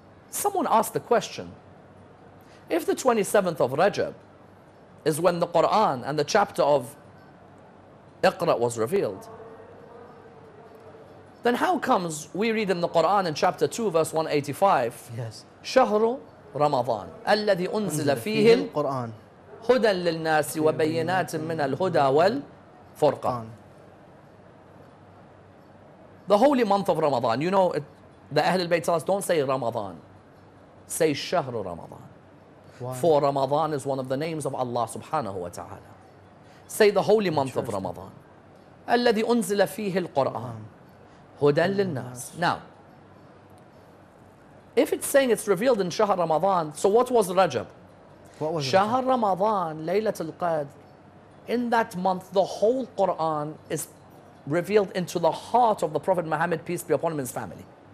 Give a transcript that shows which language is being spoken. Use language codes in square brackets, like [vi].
[en] Someone asked the question, if the 27th of Rajab is when the Quran and the chapter of Iqra was revealed, then how comes we read in the Quran in chapter 2, verse 185, yes, [ar] شهر رمضان الذي أنزل فيه القرآن هدى للناس وبينات من الهدى والفرقان. [en] The holy month of Ramadan. You know, the Ahlul Bayt tell us, don't say Ramadan. [ar] Say شهر رمضان. [en] Why? For Ramadan is one of the names of Allah subhanahu wa ta'ala. Say the holy month of Ramadan. [ar] الذي أنزل فيه القرآن هدى للناس. [en] Now, if it's saying it's revealed in Shahar Ramadan, so what was Rajab? What was Shahar Ramadan, Laylatul Qadr. In that month, the whole Quran is revealed into the heart of the Prophet Muhammad, peace be upon him, and his family.